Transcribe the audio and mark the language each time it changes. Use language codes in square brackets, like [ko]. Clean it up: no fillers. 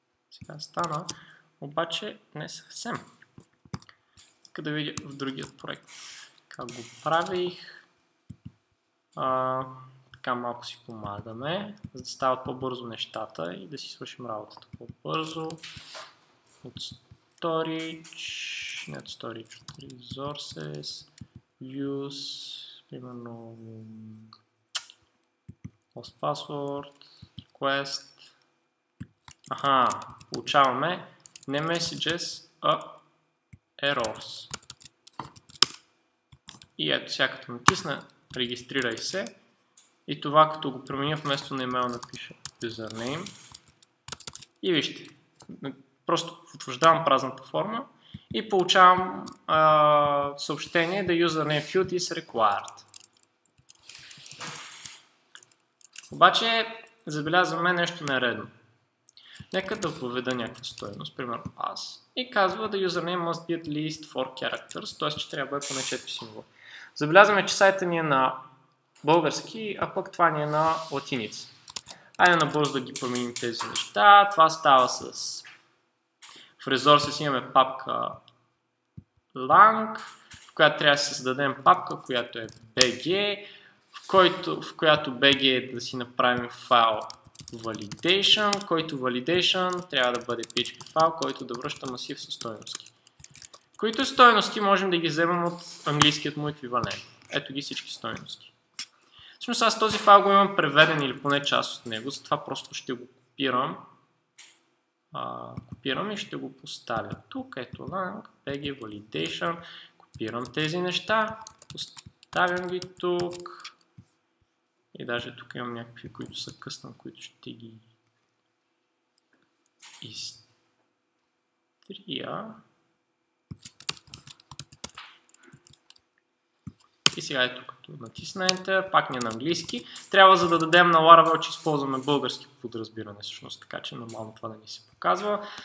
[bg] Сега стана, обаче не съвсем. Така да видя в другият проект как го правих. Така малко си помагаме, за да стават по-бързо нещата и да си свършим работата по-бързо. От storage, не от storage, от resources, views, примерно post password, request. Аха, получаваме не messages, а errors. И ето сега като натисна, регистрирай се. И това като го променя вместо на имейл напиша username. И вижте, просто потвърждавам празната форма и получавам съобщение да [en] username field is required. [bg] Обаче, забелязваме нещо нередно. Нека да въведа някаква стоеност, примерно аз. И казва да [en] username must be at least 4 characters, [bg] т.е. че трябва да е поне 4 символа. Забелязваме, че сайта ни е на български, а пък това ни е на латиница. Айде набързо да ги променим тези неща. Това става с... В Resources имаме папка lang, в която трябва да се създадем папка, която е bg, в която bg е да си направим файл validation, който validation трябва да бъде PHP файл, който да връща масив със стойности. Които стойности можем да ги вземем от английският му еквивалент. Ето ги всички стойности. Всъщност аз този файл го имам преведен или поне част от него, затова просто ще го копирам. Копирам и ще го поставя тук. Ето lang, bg, validation. Копирам тези неща. Поставям ги тук. И даже тук имам някакви, които са къстъм, които ще ги изтрия. И сега ето като натисна Enter, пак не на английски. Трябва за да дадем на Laravel, че използваме български подразбиране всъщност, така че нормално това да ни се показва.